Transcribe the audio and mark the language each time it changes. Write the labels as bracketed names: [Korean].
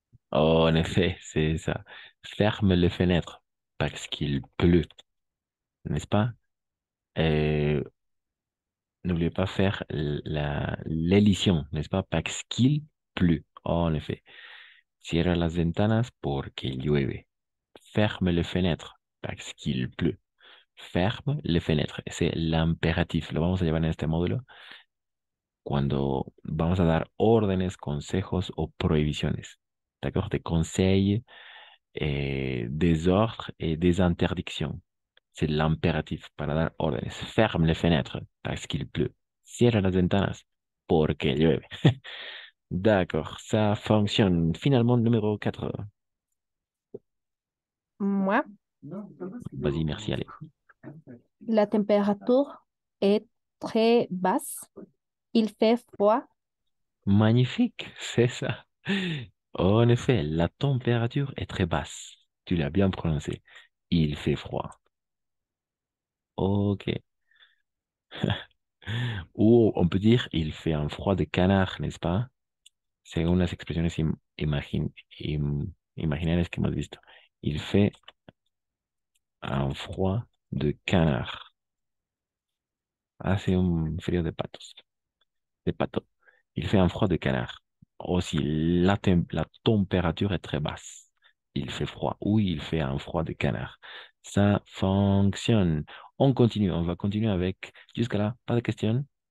[French] Oh, en effet, c'est ça. Ferme les fenêtres parce qu'il pleut, n'est-ce pas? N'oubliez pas faire l'élision, n'est-ce pas? Parce qu'il pleut, oh, en effet. [Spanish] Cierra las ventanas porque llueve. [French] Ferme les fenêtres parce qu'il pleut. Ferme les fenêtres. C'est l'impératif. [Spanish] Lo vamos a llevar en este módulo cuando vamos a dar órdenes, consejos o prohibiciones. [French] D'accord? Des conseils, des ordres et des interdictions. C'est l'impératif [Spanish] para dar órdenes. [French] Ferme les fenêtres parce qu'il pleut. [Spanish] Cierra las ventanas porque llueve. [French] D'accord, ça fonctionne. Finalement, numéro 4. Moi, Vas-y, merci, allez. la température est très basse, il fait froid. Magnifique, c'est ça. En effet, la température est très basse. Tu l'as bien prononcé. Il fait froid. Ok. Ou on peut dire, il fait un froid de canard, n'est-ce pas? [Spanish] Según las expresiones imaginarias que hemos visto, [French] il fait un froid de canard. [Spanish] Hace un frío de patos. De pato. [French] Il fait un froid de canard. Aussi, la température est très basse. Il fait froid. Oui, il fait un froid de canard. Ça fonctionne. On continue. On va continuer avec. Jusqu'à là, pas de questions.